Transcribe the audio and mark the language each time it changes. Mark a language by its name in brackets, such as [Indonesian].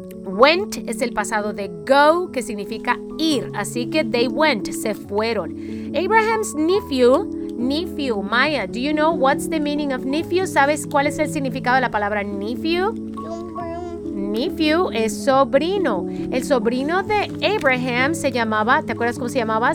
[Spanish] Went es el pasado de go, que significa ir. Así que [English] they went, [Spanish] se fueron. [English] Abraham's nephew, Maya, do you know what's the meaning of nephew? [Spanish] ¿Sabes cuál es el significado de la palabra nephew? Nephew es sobrino. El sobrino de Abraham se llamaba, ¿te acuerdas cómo se llamaba?